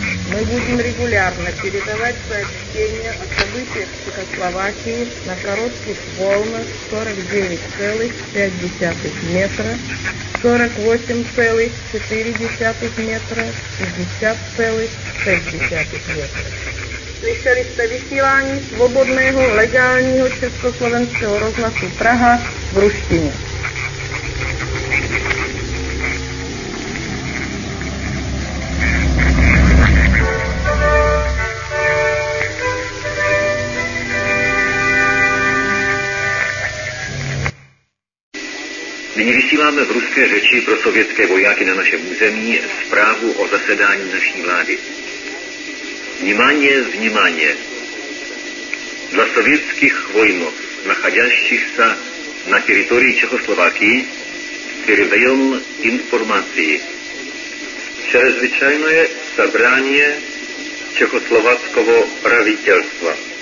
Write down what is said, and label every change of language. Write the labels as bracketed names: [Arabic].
[Russian] Мы будем регулярно передавать сообщения о событиях в Чехословакии на коротких волнах 49,5 метра, 48,4 метра и 50,6 метра. [Czech] Slyšeli jste vysílání svobodného legálního československého rozhlasu Praha v ruštině. Nyní vysíláme v ruské řeči pro sovětské vojáky na našem území zprávu o zasedání naší vlády. [Russian] Внимание, внимание! Для советских воинов, находящихся на территории Чехословакии, передаем информации. Чрезвычайное собрание чехословацкого правительства.